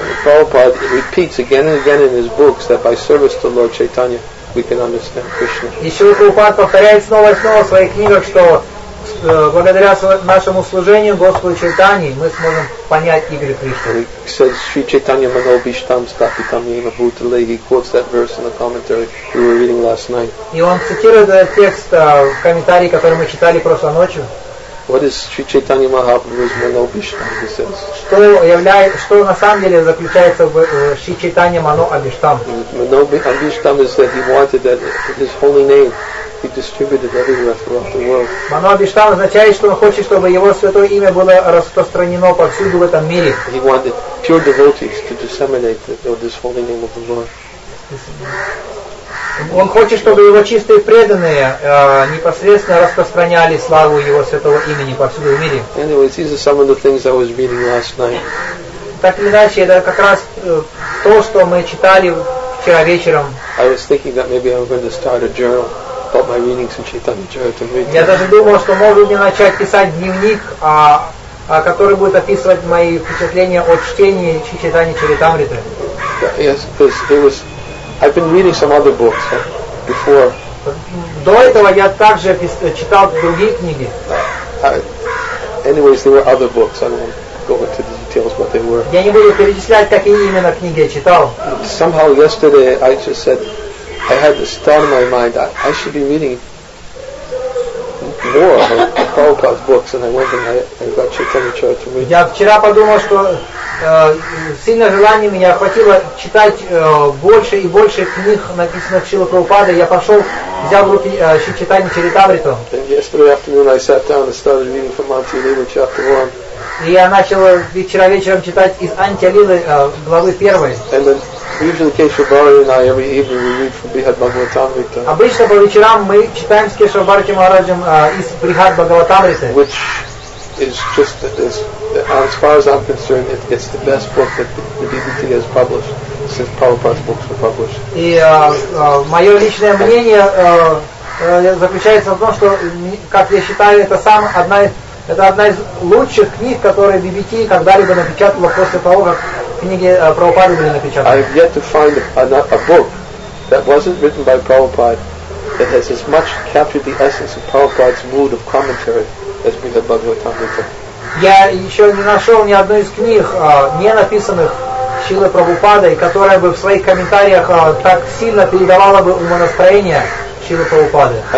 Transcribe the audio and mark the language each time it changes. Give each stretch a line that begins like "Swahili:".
English: Prabhupada repeats again and again in his books that by service to Lord Chaitanya we can understand Krishna.
Russian: И Шрила Прабхупада повторяет снова и снова в своих книгах, что благодаря нашему служению Господу Чайтанье мы сможем понять игры Кришны.
English: He says
Sanskrit: Sri Chaitanya Manobhishtam Stapitam Yena Bhutale.
English: He quotes that verse in the commentary we were reading last night.
Russian: И он цитирует этот текст в комментарии, который мы читали прошлой ночью.
English: What is Sri Chaitanya Mahaprabhu's Mano Abhishtam? He says.
Russian: Что на самом деле заключается в Sri Chaitanya Mano Abhishtam?
English: Mano Abhishtam is that he wanted that his holy name be distributed everywhere throughout the world.
Russian: Mano Abhishtam означает, что он хочет, чтобы его святое имя было распространено повсюду в этом мире.
English: He wanted pure devotees to disseminate this holy name of the Lord.
Russian: Он хочет, чтобы его чистые преданные непосредственно распространяли славу его святого имени повсюду в мире.
English: Anyways, these are some of the things I was reading last night.
Russian: Так или иначе, это как раз то, что мы читали вчера вечером.
English: I was thinking that maybe I'm going to start a journal about my readings in Chaitanya Charitamrita.
Russian: Я даже думал, что могу не начать писать дневник, который будет описывать мои впечатления от чтения Чайтанья Чаритамриты.
English: Yes, because it was. I've been reading some other books before.
Russian: До этого я также читал другие книги.
English: Anyways, there were other books. I won't go into the details what they were.
Russian: Я не буду перечислять, какие именно книги я читал.
English: Somehow yesterday I just said I had this thought in my mind that I should be reading more of Prabhupada's books, and I went and I got Chaitanya Charitamrita.
Russian: Я вчера подумал, что сильно желание меня охватило читать больше и больше книг, написанных Шрилой Прабхупадой. Я пошел, взял в руки Чайтанья Чаритамриту.
English: Yesterday afternoon I sat down and started reading from Antilila chapter 1.
Russian: И я начал вчера вечером читать из Антилилы главы 1.
English: And then usually Keshav Bhari and I every evening we read from Brihad Bhagavatamrita.
Russian: Обычно по вечерам мы читаем с Кешава Бхарати Махараджем из Брихад Бхагаватамриты.
English: Which is just as far as I'm concerned, it's the best book that the BBT has published since Prabhupada's books were published.
Russian: И мое личное мнение заключается в том, что, как я считаю, это одна из лучших книг, которые BBT когда-либо напечатала после того, как книги Прабхупады были напечатаны.
English: I have yet to find a book that wasn't written by Prabhupada that has as much captured the essence of Prabhupada's mood of commentary as Brihad Bhagavatamrita.
Russian: Я еще не нашел ни одной из книг, не написанных Шрилой Прабхупадой, которая бы в своих комментариях так сильно передавала бы умонастроение Шрилы Прабхупады.